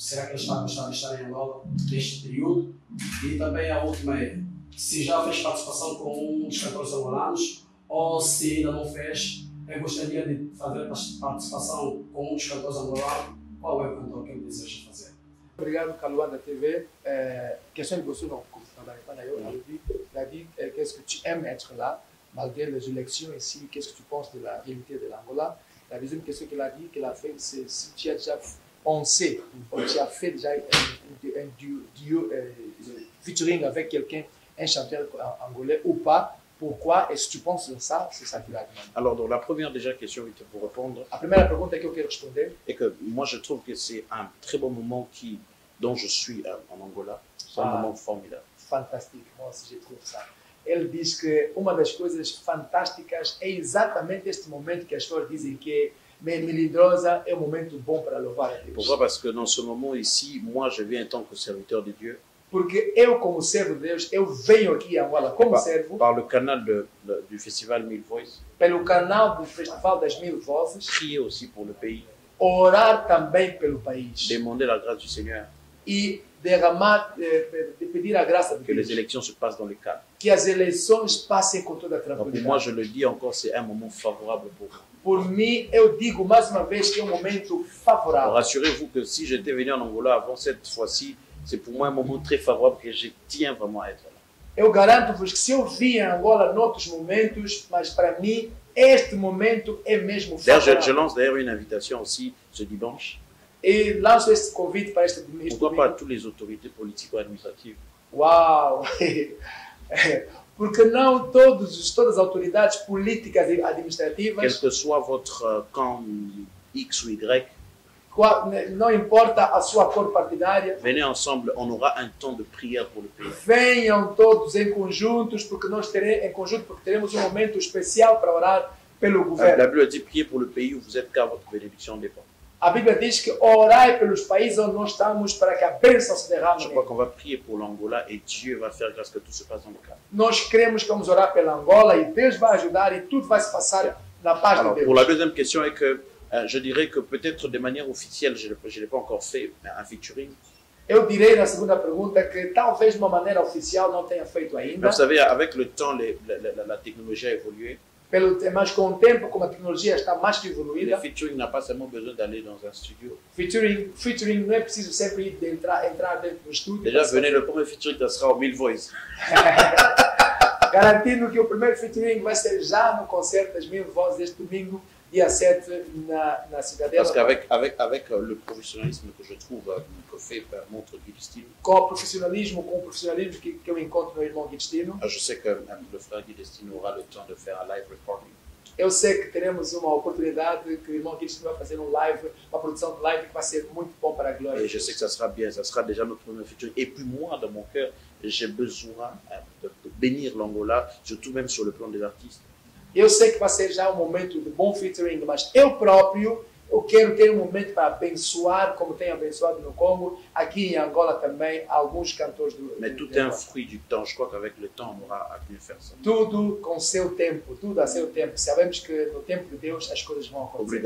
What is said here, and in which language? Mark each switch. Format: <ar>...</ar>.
<pt>Será que ele está a gostar de estar em Angola neste período? E também a última é, se já fez participação com um dos cantores angolanos ou se ainda não fez, eu gostaria de fazer participação com um dos cantores angolanos. Qual é o cantor que ele deseja fazer? Obrigado, Caluan da TV. Questão de você, não, para eu ouvir.</pt> <fr>David, qu'est-ce que tu aimes être là, malgré les élections ici, qu'est-ce que tu penses de la réalité de l'Angola? La deuxième question qu'il a dit, qu'il a fait, c'est si tu as déjà pensé, ou tu as fait déjà un featuring avec quelqu'un, un chanteur angolais ou pas, pourquoi est-ce que tu penses de ça? C'est ça qu'il a dit. Alors, donc, la première déjà question, je vais vous répondre. La première</fr> <pt>pregunta que eu respondi</pt> <fr>est que moi, je trouve que c'est un très bon moment dont je suis en Angola. C'est un moment formidable.</fr> <pt>Fantástico, nossa, já trouxe, sabe? Ele diz que uma das coisas fantásticas é exatamente este momento que as pessoas dizem que é melindrosa, é um momento bom para louvar a Deus.</pt> <fr>Pourquoi? Parce que dans ce moment ici, moi je viens en tant que serviteur de Dieu.</fr> <pt>Porque eu, como servo de Deus, eu venho aqui à Angola como servo.</pt> <fr>Par le canal du Festival Mille Voices.</fr> <pt>Pelo canal do Festival das Mil Vozes.</pt> <fr>Crier aussi pour le pays.</fr> <pt>Orar também pelo país.</pt> <fr>Demander la grâce du Seigneur.</fr> <pt>E de pedir a graça de</pt> <fr>que les élections se passent dans les cadres.</fr> <pt>Que as eleições passem com toda a tranquilidade.</pt> <fr>Pour moi, je le dis encore, c'est un moment favorable pour.</fr> <pt>Por mim, eu digo mais uma vez que é um momento favorável.</pt> <fr>Rassurez-vous que si j'étais venu en Angola avant cette fois-ci, c'est pour moi un moment très favorable que je tiens vraiment à être là.</fr> <pt>Eu garanto-vos que se eu vim em Angola noutros momentos, mas para mim este momento é mesmo favorável.</pt> <fr>Je lance d'ailleurs une invitation aussi ce dimanche.</fr> <pt>E lanço esse convite para este domingo.</pt> <fr>Pourquoi pas toutes les autorités politiques ou administratives? Uau!</fr> <pt>Porque não todas as autoridades políticas e administrativas.</pt> <fr>Quel que soit votre camp X ou Y.</fr> <pt>Não importa a sua cor partidária.</pt> <fr>Venez ensemble, on aura un temps de prière pour le pays.</fr> <pt>Venham todos em conjuntos, porque nós teremos em conjunto, porque teremos um momento especial para orar pelo governo.</pt> <fr>La Bible dit prier pour le pays où vous êtes car votre bénédiction dépend.</fr> <pt>A Bíblia diz que orai pelos países onde nós estamos para que a bênção se derrame.</pt> <fr>Je crois qu'on va prier pour l'Angola et Dieu va faire grâce que tout se passe dans le cadre.</fr> <pt>Nós cremos que vamos orar pela Angola e Deus vai ajudar e tudo vai se passar na paz</pt> <fr>Alors,</fr> <pt>de Deus.</pt> <fr>Pour la deuxième question est que je dirais que peut-être de manière officielle, je l'ai pas encore fait un featuring.</fr> <pt>Eu direi na segunda pergunta que talvez de uma maneira oficial não tenha feito ainda.</pt> <fr>Vous savez, avec le temps, la technologie a évolué.</fr> <pt>Mas com o tempo, como a tecnologia está mais que evoluída,</pt> <fr>featuring</fr> <pt>não passa muito</pt> <fr>besoin d'aller dans un studio.</fr> <pt>Featuring não é preciso sempre ir entrar dentro do estúdio.</pt> <fr>Déjà, venez, le premier featuring ça sera au Mille Voices.</fr> <pt>Garantindo que o primeiro featuring vai ser já no concerto das Mille Voices deste domingo, dia 7, na Cidadela.</pt> <fr>Parce qu'avec le professionnalisme que je trouve, que fait montre Guilhestino.</fr> <pt>Com o profissionalismo, que eu encontro no irmão Guilhestino.</pt> <fr>Je sais que le frère Guilhestino aura le temps de faire un live recording.</fr> <pt>Eu sei que teremos uma oportunidade que o irmão Guilhestino vai fazer um live, uma produção de live que vai ser muito bom para a glória.</pt> <fr>Et je sais que ça sera bien, ça sera déjà notre premier futur. Et puis moi, dans mon cœur, j'ai besoin de bénir l'Angola, surtout même sur le plan des artistes.</fr> <pt>Eu sei que vai ser já um momento de bom featuring, mas eu próprio, eu quero ter um momento para abençoar, como tenho abençoado no Congo, aqui em Angola também, alguns cantores do... Mas tudo é um fruto do tempo, eu acho que com o tempo, nós vamos fazer isso. Tudo com seu tempo, tudo a seu tempo. Sabemos que no tempo de Deus as coisas vão acontecer.</pt>